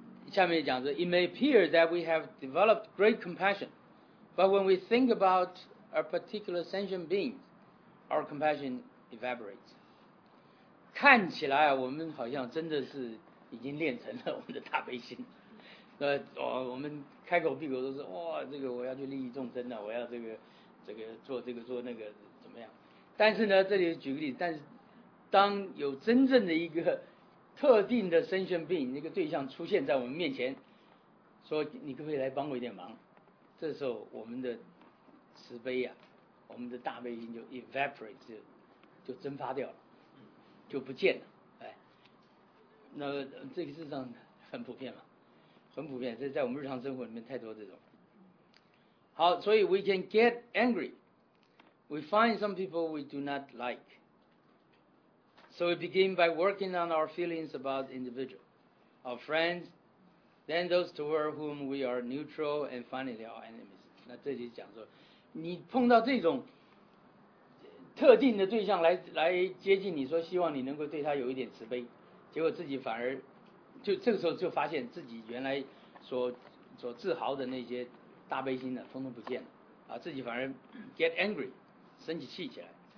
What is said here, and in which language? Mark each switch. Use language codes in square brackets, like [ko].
[zh] 下面讲说 [en] ，It may appear that we have developed great compassion, but when we think about a particular sentient being, our compassion evaporates. [zh] 看起来我们好像真的是已经练成了我们的大悲心。我们开口闭口都是哇、哦，这个我要去利益众生了，我要这个做这个做那个怎么样？但是呢，这里举个例子，但是当有真正的一个特定的sentient being那个对象出现在我们面前，说你可不可以来帮我一点忙？这时候我们的慈悲呀、啊，我们的大悲心就 evaporate 就蒸发掉了，就不见了。哎，那这个事实上很普遍嘛。很普遍，这在我们日常生活里面太多这种。好，所以 [en] we can get angry. We find some people we do not like. So we begin by working on our feelings about individual, our friends, then those toward whom we are neutral, and finally our enemies. [zh] 那这就讲说，你碰到这种特定的对象来接近你说，希望你能够对他有一点慈悲，结果自己反而就这个时候就发现自己原来所自豪的那些大悲心呢，通通不见了，啊，自己反而 [en] get angry， [zh] 生起气起来。